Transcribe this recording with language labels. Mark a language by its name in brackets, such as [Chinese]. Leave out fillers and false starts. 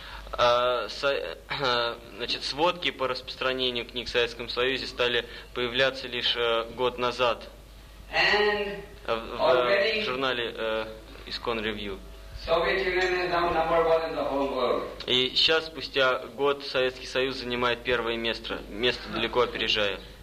[Russian] Значит, сводки по распространению книг в Советском Союзе стали появляться лишь год назад в журнале «Искон Ревью». [English] Soviet Union is now number one in the whole world. [Russian] И сейчас, спустя год, Советский Союз занимает первое место, место далеко опережая.